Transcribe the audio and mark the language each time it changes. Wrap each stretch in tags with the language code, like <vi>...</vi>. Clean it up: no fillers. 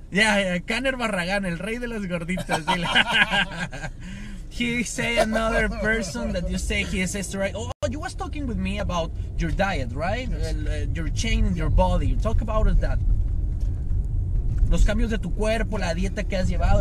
<es>Yeah, Caner Barragán, el rey de las gorditas.</es> <en>He say another person that you say he is right. Oh, you was talking with me about your diet, right? Yes. Your change in your body. Talk about that.</en> <es>Los cambios de tu cuerpo, la dieta que has llevado.</es>